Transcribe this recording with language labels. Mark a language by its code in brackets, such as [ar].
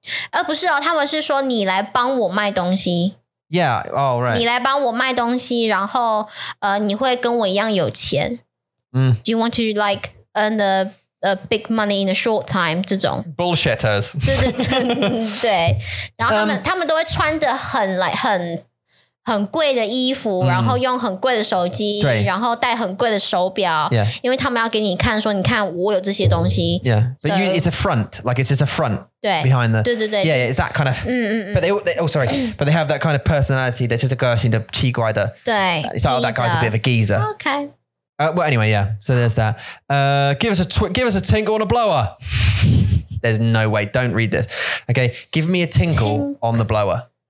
[zh] 而不是哦他们是说你来帮我卖东西 [en] Yeah, oh right [zh] 你来帮我卖东西然后你会跟我一样有钱、 mm. [en] Do you want to like earn the big money in a short time [zh] 这种 [en] Bullshitters [zh] 对对对然后他们都会穿得很 like, 很贵的衣服、mm. 然后用很贵的手机对然后戴很贵的手表、 [en] yeah. [zh] 因为他们要给你看说你看我有这些东西 [en] Yeah, but it's a front Like it's just a front behind the [zh] 对对对 [en] yeah, yeah it's that kind of but they oh sorry but they have that kind of personality that's just a girl seemed to be [zh] 奇怪的对 [en] it's like、oh, that guy's a bit of a geezer okay well anyway yeah so there's that give us a tinkle on a blower there's no way don't read this okay give me a tinkle on the blower